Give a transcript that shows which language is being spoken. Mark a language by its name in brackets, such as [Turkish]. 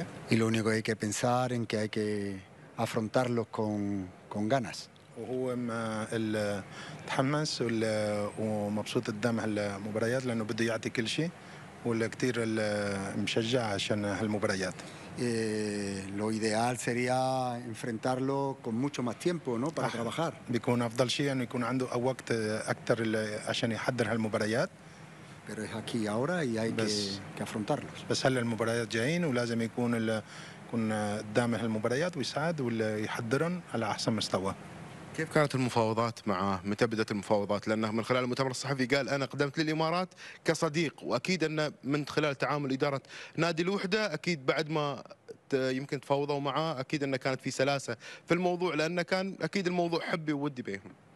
[Spanish] Y lo único que hay que pensar es que hay que afrontarlos con ganas. [Arabic] وهو متحمس ومبسوط قدام هالمباريات لانه بده يعطي كل شيء والكثير مشجع عشان هالمباريات. [Spanish] Lo ideal sería enfrentarlo con mucho más tiempo, ¿no? Para trabajar. [Arabic] بيكون افضل شيء انه يكون عنده وقت اكثر عشان يحضر هالمباريات. [Spanish] Pero es aquí ahora y hay que afrontarlos. [Arabic] بس هلا المباريات جايين ولازم يكون قدام هالمباريات ويساعد ويحضرهم على احسن مستوى. كيف كانت المفاوضات معه؟ متى بدأت المفاوضات؟ لأنه من خلال المؤتمر الصحفي قال أنا قدمت للإمارات كصديق، وأكيد أن من خلال تعامل إدارة نادي الوحدة أكيد بعد ما يمكن تفاوضوا معه أكيد أن كانت في سلاسة في الموضوع، لأنه كان أكيد الموضوع حبي وودي بينهم.